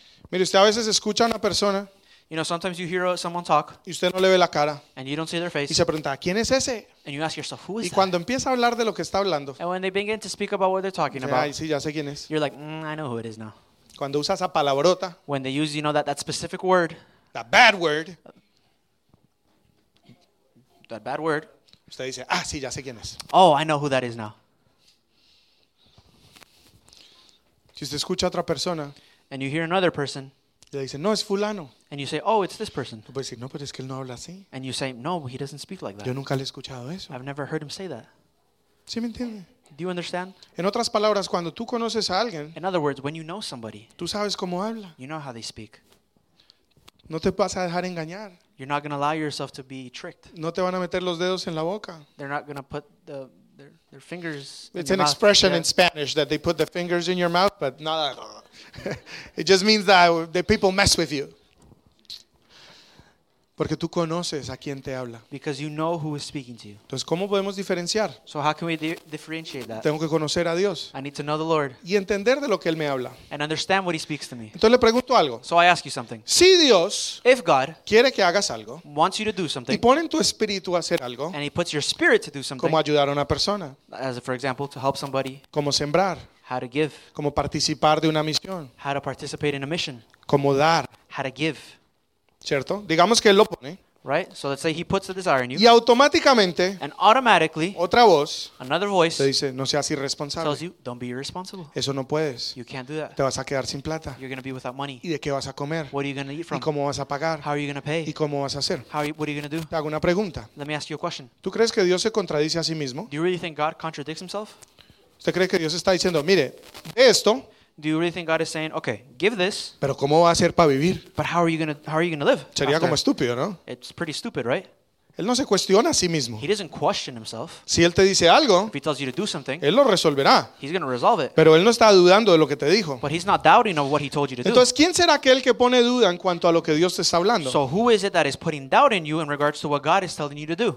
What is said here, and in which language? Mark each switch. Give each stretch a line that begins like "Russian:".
Spanish: Mire, usted a veces escucha a una persona.
English: You know, sometimes you hear someone talk.
Spanish: Y usted no le ve la cara.
English: And you don't see their face.
Spanish: Y se pregunta, ¿quién es ese?
English: And you ask yourself, who is
Spanish: y
English: that?
Spanish: Y cuando empieza a hablar de lo que está hablando.
English: And when they begin to speak about what they're talking about.
Spanish: Ay, sí, ya sé quién es.
English: You're like, I know who it is now.
Spanish: Cuando usa esa palabrota.
English: When they use, you know, that specific word. That bad word. That bad word.
Spanish: Usted dice, ah, sí, ya sé quién es.
English: Oh, I know who that is now.
Spanish: Si usted escucha a otra persona.
English: And you hear another person.
Spanish: Le dice, no, es fulano.
English: And you say, oh, it's this person.
Spanish: Pues, no, pero es que él no habla así.
English: And you say, no, he doesn't speak like that.
Spanish: Yo nunca le he escuchado eso.
English: I've never heard him say that.
Spanish: ¿Sí me entiende?
English: Do you understand?
Spanish: En otras palabras, cuando tú conoces a alguien,
English: in other words, when you know somebody,
Spanish: tú sabes cómo habla.
English: You know how they speak.
Spanish: No te vas a dejar engañar.
English: You're not going to allow yourself to be tricked.
Spanish: No te van a meter los dedos en la boca.
English: They're not going to put their fingers it's in their it's an mouth. Expression yeah. In Spanish that they put the fingers in your mouth, but not that. It just means that people mess with you.
Spanish: Porque tú conoces a quién te habla.
English: Because you know who is speaking to you.
Spanish: Entonces, ¿cómo podemos diferenciar?
English: So how can we differentiate that?
Spanish: Tengo que conocer a Dios.
English: I need to know the Lord.
Spanish: Y entender de lo que Él me habla.
English: And understand what He speaks to me.
Spanish: Entonces, le pregunto algo.
English: So I ask you something.
Spanish: Si Dios
English: if God
Spanish: quiere que hagas algo,
English: wants you to do something,
Spanish: y pone en tu espíritu a hacer algo,
English: and He puts your spirit to do something,
Spanish: como ayudar a una persona,
English: as for example, to help somebody,
Spanish: como sembrar,
English: how to give,
Spanish: como participar de una misión,
English: how to participate in a mission,
Spanish: como dar,
English: how to give.
Spanish: ¿Cierto? Digamos que él lo pone.
English: Right? So let's say he puts the desire in you.
Spanish: Y automáticamente.
English: And automatically.
Spanish: Otra voz.
English: Another voice.
Spanish: Te dice, no seas irresponsable.
English: Tells you, don't be irresponsible.
Spanish: Eso no puedes.
English: You can't do that.
Spanish: Te vas a quedar sin plata.
English: You're going to be without money.
Spanish: ¿Y de qué vas a comer?
English: What are you going to eat from?
Spanish: ¿Y cómo vas a pagar?
English: How are you going to pay?
Spanish: ¿Y cómo vas a hacer?
English: What are you going to do?
Spanish: Te hago una pregunta.
English: Let me ask you a question.
Spanish: ¿Tú crees que Dios se contradice a sí mismo?
English: Do you really think God contradicts himself?
Spanish: ¿Usted cree que Dios está diciendo, mire, de esto?
English: Do you really think God is saying, okay, give this?
Spanish: Pero ¿cómo va a ser para vivir?
English: But how are you gonna live?
Spanish: Sería after? Como estúpido, ¿no?
English: It's pretty stupid, right?
Spanish: Él no se cuestiona a sí mismo.
English: He doesn't question himself.
Spanish: Si él te dice algo,
English: if he tells you to do something,
Spanish: él lo resolverá.
English: He's going to resolve it.
Spanish: Pero él no está dudando de lo que te dijo.
English: But he's not doubting of what he told you to do.
Spanish: Entonces, ¿quién será aquel que pone duda en cuanto a lo que Dios te está hablando?
English: So who is it that is putting doubt in you in regards to what God is telling you to do?